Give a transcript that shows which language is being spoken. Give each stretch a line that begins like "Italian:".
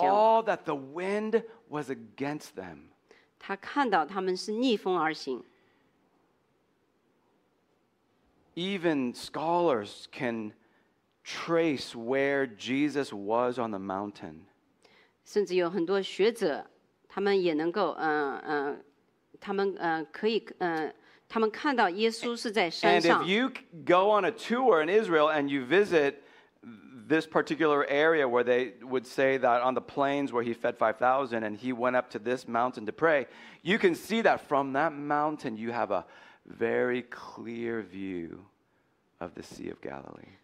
English: He saw that the wind was against them.
Chinese: 他看到他们是逆风而行。
English: Even scholars can trace where Jesus was on the mountain.
Chinese: 甚至有很多学者，他们也能够，他们可以，他们看到耶稣是在山上。
English: And if you go on a tour in Israel and you visit this particular area where they would say that on the plains where he fed 5,000 and he went up to this mountain to pray, you can see that from that mountain you have a very clear view of the Sea of Galilee.